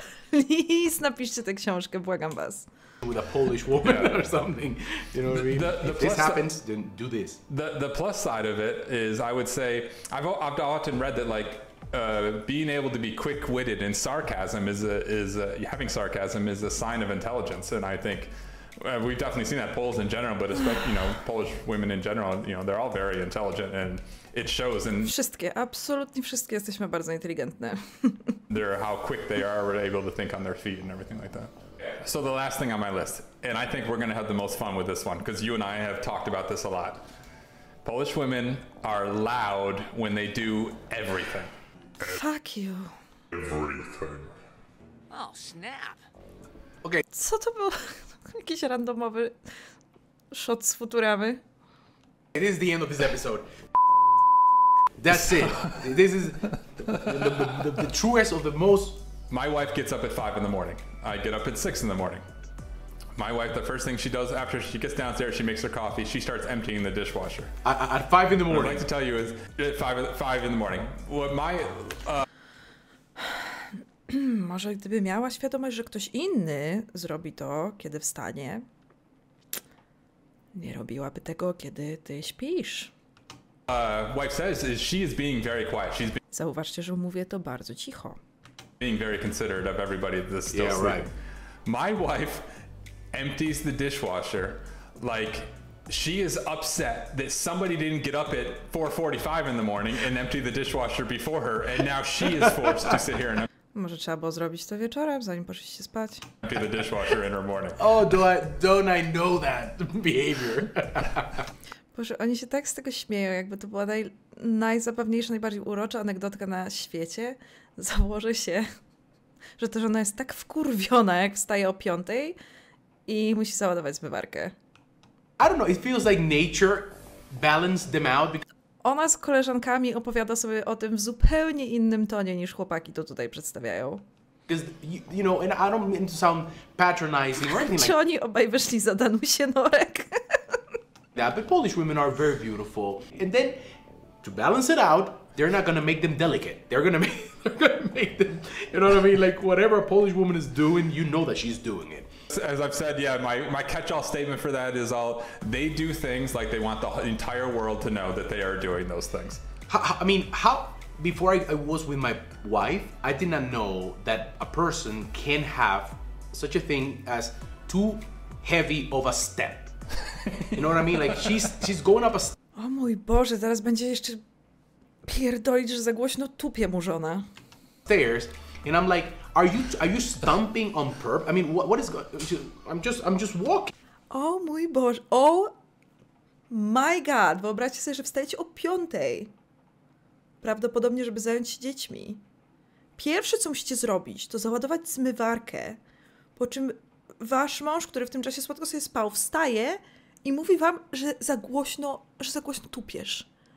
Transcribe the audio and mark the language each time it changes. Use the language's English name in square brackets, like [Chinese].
[Polish] Please, napiszcie tę książkę, błagam was. [English] With a Polish woman or something. You know what I mean? If this happens, then do this. The plus side of it is, I would say, I've often read that, like, being able to be quick-witted and sarcasm having sarcasm is a sign of intelligence, and I think we've definitely seen that, Poles in general, but especially, you know, Polish women in general, you know, they're all very intelligent, and it shows. And [Polish] wszystkie, absolutnie wszystkie jesteśmy bardzo inteligentne. [English] They're how quick they are, we're able to think on their feet and everything like that. So the last thing on my list, and I think we're going to have the most fun with this one, because you and I have talked about this a lot. Polish women are loud when they do everything. Fuck you. Everything. Oh, snap. Okay. [Polish] Co to było? Jakiś randomowy shot z Futurami. [English] It is the end of this episode. That's it. This is the truest of the most My wife gets up at 5 in the morning. I get up at 6 in the morning. My wife, the first thing she does after she gets downstairs, she makes her coffee, she starts emptying the dishwasher. At 5 in the morning. What I'd like to tell you is, at 5 in the morning. What my... [Polish] Może gdyby miała świadomość, że ktoś inny zrobi to, kiedy wstanie, nie robiłaby tego, kiedy ty śpisz. [English] Wife says is she is being very quiet. She's being... [Polish] Zauważcie, że mówię to bardzo cicho. [English] Being very considerate of everybody that's still yeah, sleeping. Right. My wife empties the dishwasher like she is upset that somebody didn't get up at 4:45 in the morning and empty the dishwasher before her, and now she is forced to sit here and... [Polish] Może trzeba było zrobić to wieczorem, zanim poszliście spać. [English] Empty the dishwasher in her morning. Oh, don't I know that behavior? [Polish] Boże, oni się tak z tego śmieją, jakby to była najzabawniejsza, najbardziej urocza anegdotka na świecie. Założę się, że to, że ona jest tak wkurwiona, jak wstaje o 5 i musi załadować zmywarkę. [English] I don't know, it feels like nature balanced them out. Because... [Polish] Ona z koleżankami opowiada sobie o tym w zupełnie innym tonie niż chłopaki to tutaj przedstawiają. [English] You know, and I don't mean to sound patronizing or anything like... [Polish] Czy oni obaj wyszli za Danusię Norek? [English] Yeah, but Polish women are very beautiful. And then, to balance it out, they're not gonna make them delicate. They're gonna make them, you know what I mean? Like, whatever a Polish woman is doing, you know that she's doing it. As I've said, yeah, my catch-all statement for that is all, they do things like they want the entire world to know that they are doing those things. How, before I was with my wife, I did not know that a person can have such a thing as too heavy of a step. You know what I mean? Like, she's going up a... [Polish] O mój Boże, zaraz będzie jeszcze pierdolić, że za głośno tupie mu żona. [English] Stairs, and I'm like, are you stomping on purpose? I mean, what is... I'm just walking. [Polish] O mój Boże, [English] oh my God, [Polish] wyobraźcie sobie, że wstajecie o 5. Prawdopodobnie, żeby zająć się dziećmi. Pierwsze, co musicie zrobić, to załadować zmywarkę, po czym wasz mąż, który w tym czasie słodko sobie spał, wstaje i mówi wam, że za głośno tupiesz.